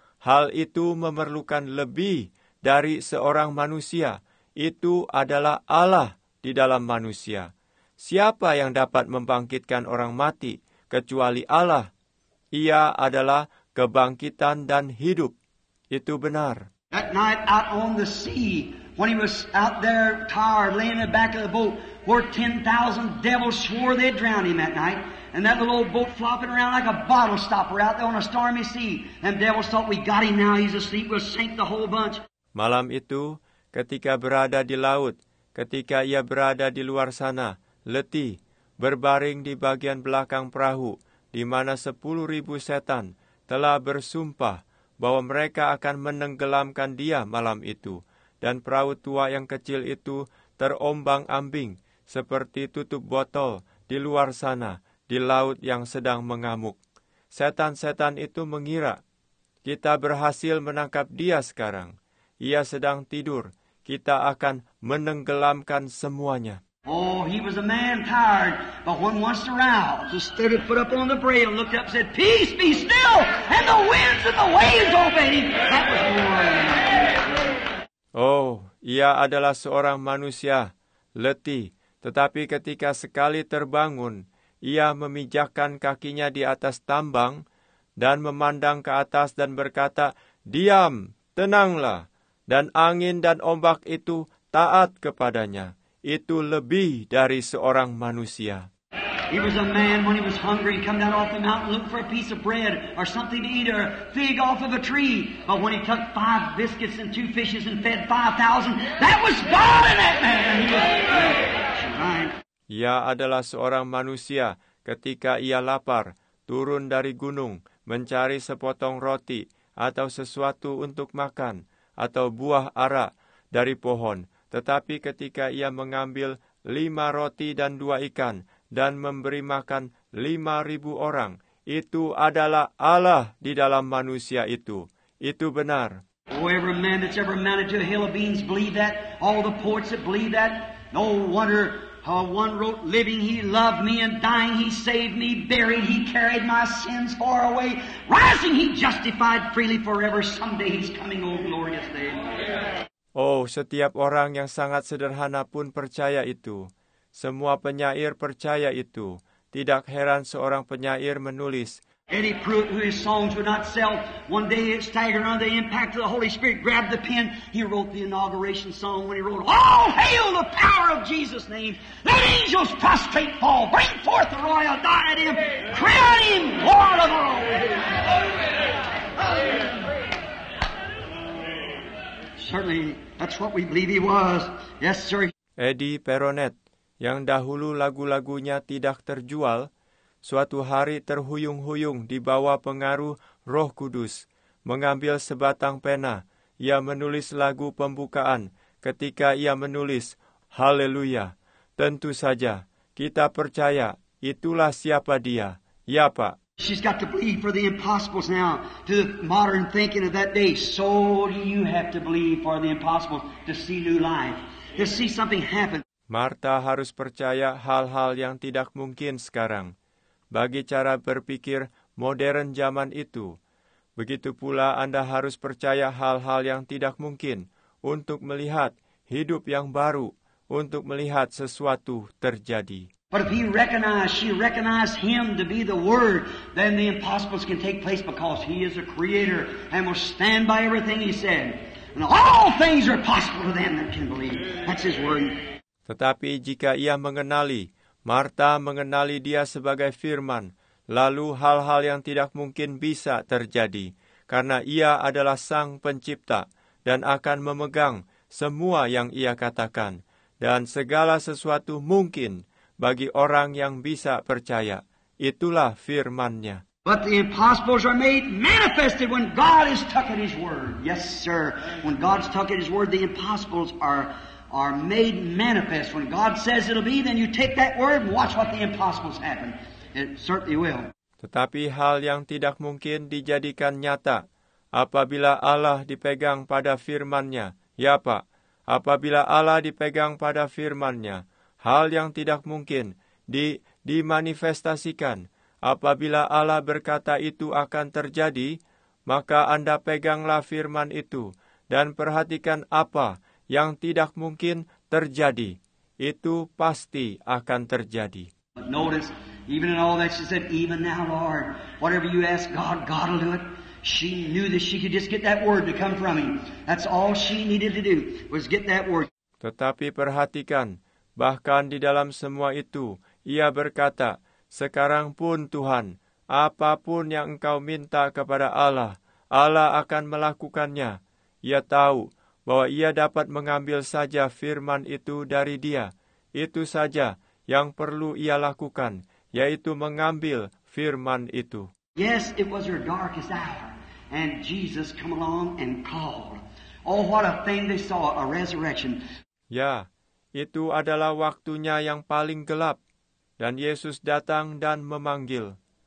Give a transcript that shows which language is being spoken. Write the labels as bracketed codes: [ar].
[id] Hal itu memerlukan lebih dari seorang manusia. Itu adalah Allah di dalam manusia. Siapa yang dapat membangkitkan orang mati, kecuali Allah? Ia adalah kebangkitan dan hidup. Itu benar. [en] That night out on the sea, when he was out there tired, laying in the back of the boat, where 10,000 devils swore they'd drown him that night, and that little old boat flopping around like a bottle stopper out there on a stormy sea. Them devils thought, we got him now, he's asleep, we'll sink the whole bunch. [id] Malam itu, ketika berada di laut, ketika ia berada di luar sana, letih, berbaring di bagian belakang perahu, di mana 10,000 setan telah bersumpah bahwa mereka akan menenggelamkan dia malam itu. Dan perahu tua yang kecil itu terombang ambing, seperti tutup botol di luar sana, di laut yang sedang mengamuk. Setan-setan itu mengira, kita berhasil menangkap dia sekarang. Ia sedang tidur. Kita akan menenggelamkan semuanya. [en] Oh, he was a man tired, but when once aroused, he stood and put up on the brail and looked up and said, peace, be still, and the winds and the waves obeyed him. That was more. [id] Oh, ia adalah seorang manusia, letih. Tetapi ketika sekali terbangun, ia memijakkan kakinya di atas tambang dan memandang ke atas dan berkata, diam, tenanglah. Dan angin dan ombak itu taat kepadanya. Itu lebih dari seorang manusia. [en] He was a man when he was hungry, come down off the mountain, look for a piece of bread or something to eat or a fig off of a tree. But when he took 5 biscuits and 2 fishes and fed 5,000, that was God in that man. He was right. [id] Ia adalah seorang manusia ketika ia lapar, turun dari gunung, mencari sepotong roti atau sesuatu untuk makan atau buah ara dari pohon. Tetapi ketika ia mengambil 5 roti dan 2 ikan, dan memberi makan 5,000 orang. Itu adalah Allah di dalam manusia itu. Itu benar. [en] Oh, every man that's ever mounted to a hill of beans believe that. All the poets that believe that. No wonder how one wrote, living he loved me and dying he saved me. Buried he carried my sins far away. Rising he justified freely forever. Someday he's coming, oh glorious day. [id] Oh, setiap orang yang sangat sederhana pun percaya itu. Semua penyair percaya itu. Tidak heran seorang penyair menulis. [en] Eddie Pruitt, whose songs would not sell, one day it staggered under the impact of the Holy Spirit, grabbed the pen, he wrote the inauguration song when he wrote, "All hail the power of Jesus' name, let angels prostrate fall, bring forth the royal diadem, crown him Lord of all." Certainly, that's what we believe he was. Yes, sir. [id] Eddie Peronet, yang dahulu lagu-lagunya tidak terjual, suatu hari terhuyung-huyung di bawah pengaruh Roh Kudus, mengambil sebatang pena, ia menulis lagu pembukaan. Ketika ia menulis, "Haleluya," tentu saja kita percaya itulah siapa dia. Ya, Pak. [en] She's got to believe for the impossibles now, to the modern thinking of that day. So do you have to believe for the impossible to see new life, to see something happen. [id] Martha harus percaya hal-hal yang tidak mungkin sekarang. Bagi cara berpikir modern zaman itu, begitu pula Anda harus percaya hal-hal yang tidak mungkin untuk melihat hidup yang baru, untuk melihat sesuatu terjadi. [en] But if he recognized, she recognized him to be the Word, then the impossibles can take place because he is a creator and will stand by everything he said. And all things are possible to them that can believe. That's his word. [id] Tetapi jika ia mengenali, Martha mengenali dia sebagai firman, lalu hal-hal yang tidak mungkin bisa terjadi, karena ia adalah sang pencipta, dan akan memegang semua yang ia katakan, dan segala sesuatu mungkin bagi orang yang bisa percaya. Itulah firman-Nya. [en] But the impossibles are made manifested when God is stuck in his word. Yes, sir. When God's stuck in his word, the impossibles are made manifest. When God says it'll be, then you take that word and watch what the impossibles happen. It certainly will. [id] Tetapi hal yang tidak mungkin dijadikan nyata apabila Allah dipegang pada firman-Nya. Ya, Pak. Apabila Allah dipegang pada firman-Nya, hal yang tidak mungkin dimanifestasikan. Apabila Allah berkata itu akan terjadi, maka Anda peganglah firman itu dan perhatikan apa yang tidak mungkin terjadi, itu pasti akan terjadi. [en] But notice, even in all that she said, "Even now, Lord, whatever you ask God, God will do it." She knew that she could just get that word to come from him. That's all she needed to do, was get that word. [id] Tetapi perhatikan, bahkan di dalam semua itu, ia berkata, "Sekarang pun Tuhan, apapun yang engkau minta kepada Allah, Allah akan melakukannya." Ia tahu bahwa ia dapat mengambil saja firman itu dari dia. Itu saja yang perlu ia lakukan, yaitu mengambil firman itu. [en] Yes, it was her darkest hour, and Jesus come along and called. Oh, what a thing they saw, a resurrection. [id] Ya, itu adalah waktunya yang paling gelap, dan Yesus datang dan memanggil.